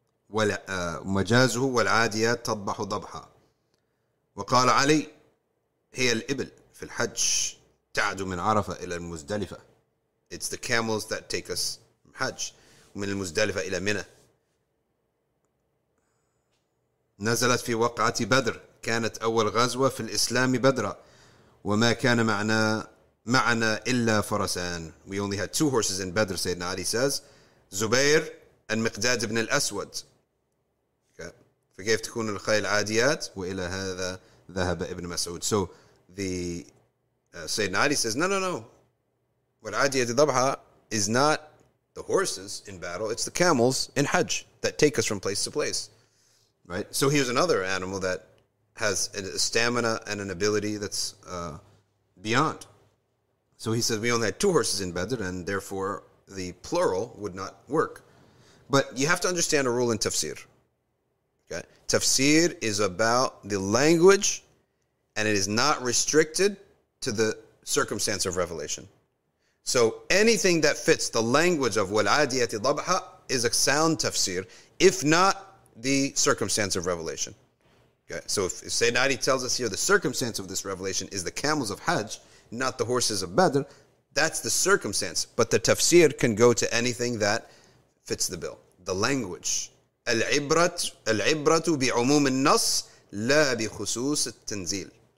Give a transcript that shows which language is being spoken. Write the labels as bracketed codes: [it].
[ar] وَمَجَازُهُ وَالْعَادِيَاتِ تَضْبَحُ ضَبْحًا وقال علي هي الإبل في الحج تعد من عرفة إلى المزدلفة. [en] It's the camels that take us from Hajj. [ar] من المزدلفة إلى منى. نزلت في وقعة بدر كانت أول غزوة في الإسلام بدرا وما كان معنا إلا فرسان. [en] We only had two horses in Badr, Sayyidina Ali says. Zubair and Miqdad ibn al-Aswad. [ar] فكيف تكون الخيل العاديات وإلى هذا ذهب ابن مسعود. [en] So the Sayyidina Ali says, no. [ar] والعاديات ضبحة [en] is not the horses in battle, it's the camels in Hajj that take us from place to place. Right? So here's another animal that has a stamina and an ability that's beyond. So he says, we only had two horses in Badr, and therefore the plural would not work. But you have to understand a rule in tafsir. Okay. Tafsir is about the language, and it is not restricted to the circumstance of revelation. So anything that fits the language of [ar] وَالْعَادِيَةِ ضَبْحَ [en] is a sound tafsir, if not the circumstance of revelation. Okay. So if Sayyidina Ali tells us here the circumstance of this revelation is the camels of Hajj, not the horses of Badr, that's the circumstance. But the tafsir can go to anything that fits the bill. The language. [ar] العبرة بعموم النص لا بخصوص التنزيل.